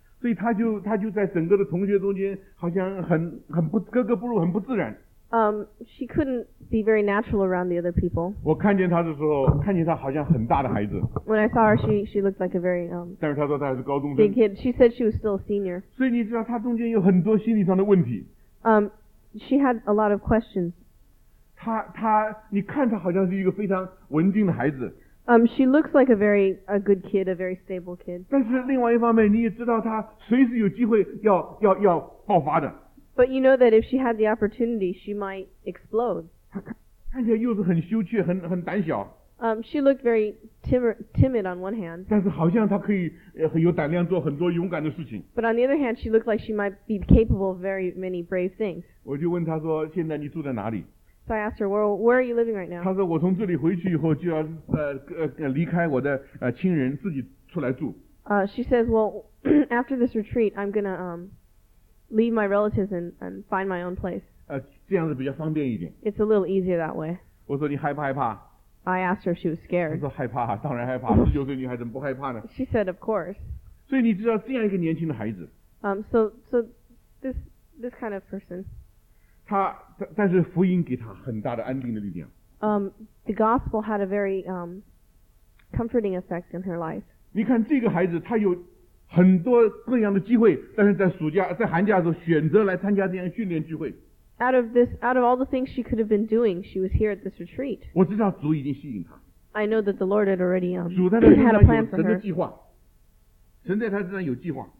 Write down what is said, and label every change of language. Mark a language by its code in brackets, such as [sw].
[zh] 所以她就在整个的同学中间好像很不格格不入，很不自然。 [en] She couldn't be very natural around the other people. [zh] 我看见她的时候，看见她好像很大的孩子。 [en] When I saw her, she looked like a very [zh] 但是她说她还是高中生。 [en] Big kid. She said she was still a senior. [zh] 所以你知道她中间有很多心理上的问题。 [en] She had a lot of questions. [zh] 她你看她好像是一个非常文静的孩子。 [en] She looks like a good kid, a very stable kid. [zh] 但是另外一方面，你也知道她随时有机会要爆发的。 [en] But you know that if she had the opportunity, she might explode. [zh] 看起来又是很羞怯，很胆小。 [en] She looked very timid on one hand. [zh] 但是好像她可以很有胆量做很多勇敢的事情。 [en] But on the other hand, she looked like she might be capable of very many brave things. [zh] 我就问她说：“现在你住在哪里？” [en] So I asked her, "Where are you living right now?" [zh] 她说：“我从这里回去以后就要离开我的亲人，自己出来住。” [en] She says, "Well, after this retreat, I'm gonna leave my relatives and find my own place. [zh] 这样子比较方便一点。 [en] It's a little easier that way. [zh] 我说你害不害怕 [en] ？I asked her if she was scared. [zh] 她说害怕，当然害怕。十九岁女孩怎么不害怕呢 [en] ？She said, of course. [zh] 所以你知道这样一个年轻的孩子。 [en] So this kind of person. [zh] 她但是福音给她很大的安定的力量。 [en] The gospel had a very comforting effect in her life. [zh] 你看这个孩子，他有。很多各样的机会，但是在暑假、在寒假的时候，选择来参加这样训练聚会。 [en] Out of all the things she could have been doing, she was here at this retreat. [zh] 我知道主已经吸引她。 [en] I know that the Lord had already had a plan for her. [zh] 主在她身上有计划，神在她身上有计划。